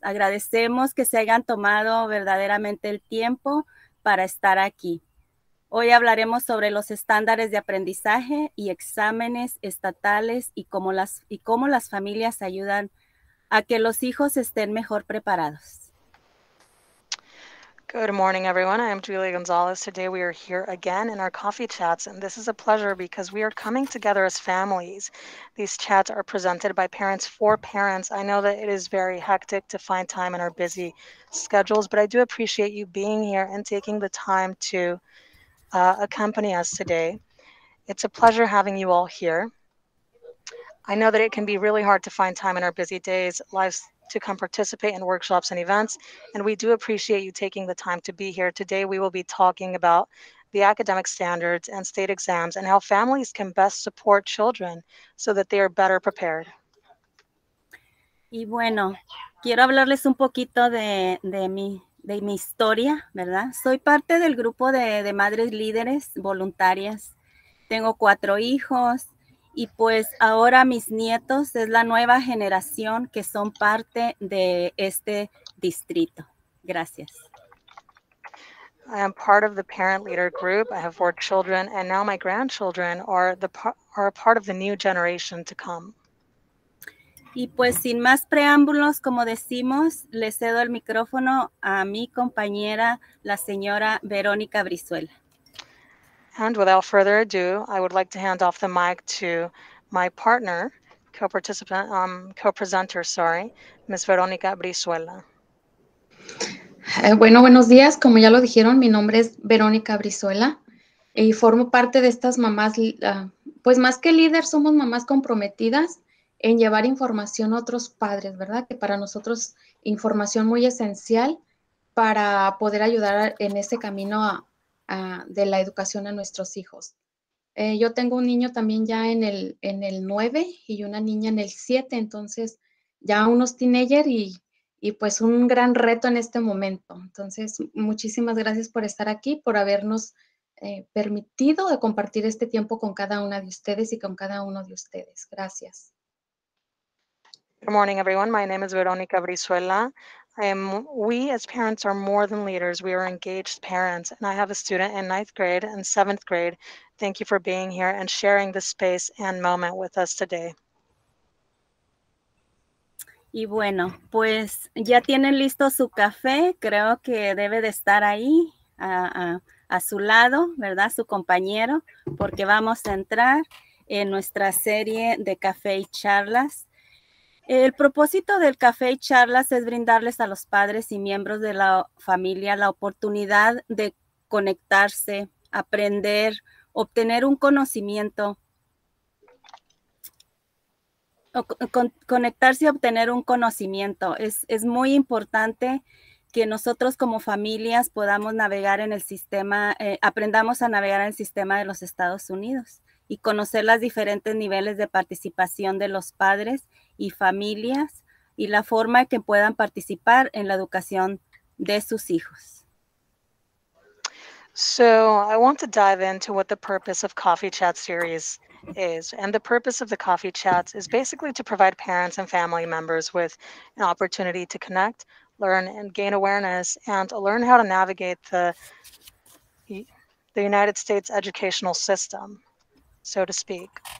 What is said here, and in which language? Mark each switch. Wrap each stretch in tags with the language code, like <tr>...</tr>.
<es>Agradecemos que se hayan tomado verdaderamente el tiempo para estar aquí. Hoy hablaremos sobre los estándares de aprendizaje y exámenes estatales y cómo las familias ayudan a que los hijos estén mejor preparados.</es> <en>Good morning, everyone. I am Julia Gonzalez. Today we are here again in our coffee chats, and this is a pleasure because we are coming together as families. These chats are presented by parents for parents. I know that it is very hectic to find time in our busy schedules, but I do appreciate you being here and taking the time to accompany us today. It's a pleasure having you all here. I know that it can be really hard to find time in our busy days, lives to come participate in workshops and events, and we do appreciate you taking the time to be here. Today we will be talking about the academic standards and state exams and how families can best support children so that they are better prepared.</en> <es>Y bueno, quiero hablarles un poquito de mi historia, ¿verdad? Soy parte del grupo de madres líderes voluntarias. Tengo 4 hijos. Y pues ahora mis nietos es la nueva generación que son parte de este distrito. Gracias.</es> <en>I am part of the parent leader group. I have 4 children, and now my grandchildren are a part of the new generation to come.</en> <es>Y pues sin más preámbulos, como decimos, le cedo el micrófono a mi compañera, la señora Verónica Brizuela.</es> <en>And without further ado, I would like to hand off the mic to my partner, co-presenter, Ms. Verónica Brizuela.</en> <es>Buenos días. Como ya lo dijeron, mi nombre es Verónica Brizuela y formo parte de estas mamás, pues más que líder, somos mamás comprometidas en llevar información a otros padres, ¿verdad? Que para nosotros información muy esencial para poder ayudar en ese camino de la educación a nuestros hijos. Yo tengo un niño también ya en el 9 y una niña en el 7, entonces ya unos teenager y pues un gran reto en este momento. Entonces, muchísimas gracias por estar aquí, por habernos permitido de compartir este tiempo con cada una de ustedes y con cada uno de ustedes. Gracias.</es> <en>Good morning, everyone. My name is Verónica Brizuela. We as parents are more than leaders. We are engaged parents, and I have a student in 9th grade and 7th grade. Thank you for being here and sharing the space and moment with us today.</en> <es>Y bueno, pues ya tienen listo su café. Creo que debe de estar ahí a su lado, ¿verdad? Su compañero, porque vamos a entrar en nuestra serie de café y charlas. El propósito del café y charlas es brindarles a los padres y miembros de la familia la oportunidad de conectarse, aprender, obtener un conocimiento, conectarse y obtener un conocimiento. Es muy importante que nosotros como familias podamos navegar en el sistema, aprendamos a navegar en el sistema de los Estados Unidos y conocer los diferentes niveles de participación de los padres y familias y la forma en que puedan participar en la educación de sus hijos.</es> <en>So, I want to dive into what the purpose of Coffee Chat series is. And the purpose of the Coffee Chats is basically to provide parents and family members with an opportunity to connect, learn, and gain awareness, and learn how to navigate the United States educational system, so to speak.</en>